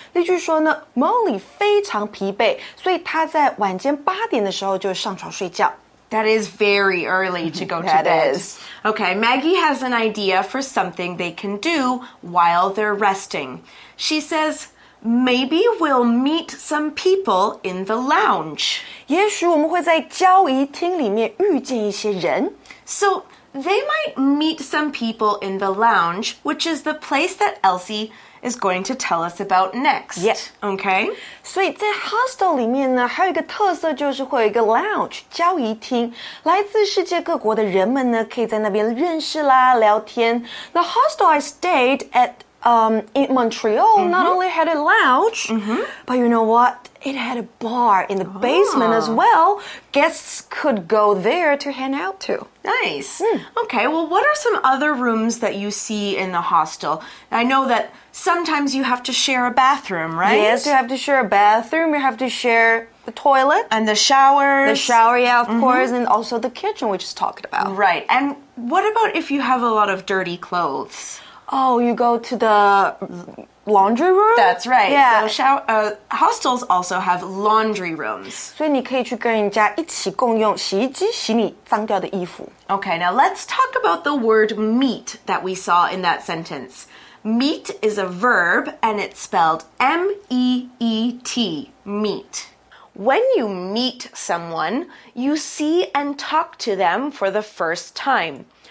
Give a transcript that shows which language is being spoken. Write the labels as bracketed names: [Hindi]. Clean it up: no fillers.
[Chinese] 例句说呢 ，Molly 非常疲惫，所以她在晚间八点的时候就上床睡觉。 [English] That is very early to go to bed. That is. Okay, Maggie has an idea for something they can do while they're resting. She says, maybe we'll meet some people in the lounge. [Chinese] 也许我们会在交谊厅里面遇见一些人。 [English] So,They might meet some people in the lounge, which is the place that Elsie is going to tell us about next. Yes. Okay? [Chinese] 所以在 hostel 里面呢还有一个特色就是会有一个 lounge, 交易厅。来自世界各国的人们呢可以在那边认识啦聊天。 [English] The hostel I stayed at, in Montreal、mm-hmm. not only had a lounge,、mm-hmm. but you know what? It had a bar in the basement as well. Guests could go there to hang out too. Nice. Mm. Okay, well, what are some other rooms that you see in the hostel? I know that sometimes you have to share a bathroom, right? Yes, you have to share a bathroom. You have to share the toilet. And the showers. The shower, yeah, of、mm-hmm. course. And also the kitchen we just talked about. Right. And what about if you have a lot of dirty clothes? Oh, you go to the... Laundry room? That's right. Yeah. So hostels also have laundry rooms. [Chinese] 所以你可以去跟人家一起共用洗衣机洗你脏掉的衣服。 [English] Okay, now let's talk about the word meet that we saw in that sentence. Meet is a verb and it's spelled M-E-E-T, meet. When you meet someone, you see and talk to them for the first time.